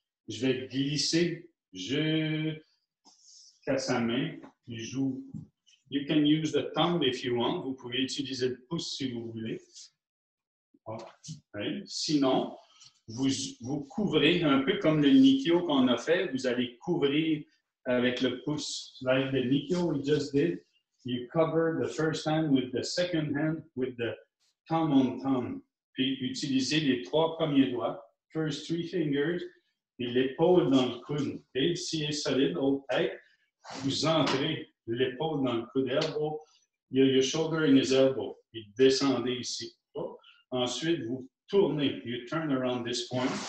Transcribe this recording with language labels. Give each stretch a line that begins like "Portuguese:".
French: Je vais glisser jusqu'à sa main, puis j'ouvre.
English: You can use the thumb if you want.
French: Vous pouvez utiliser le pouce si vous voulez.
English: Okay.
French: Sinon, vous couvrez un peu comme le Nikyo qu'on a fait. Vous allez couvrir avec le pouce.
English: Like the Nikyo we just did, you cover the first hand with the second hand with the thumb on thumb.
French: Puis utilisez les trois premiers doigts,
English: first three fingers,
French: et l'épaule dans le coude. Okay? Si elle est solide, okay, vous entrez l'épaule dans le coude.
English: Elbow, your shoulder in his elbow.
French: Et descendez ici. Ensuite, vous tournez.
English: You turn around this point.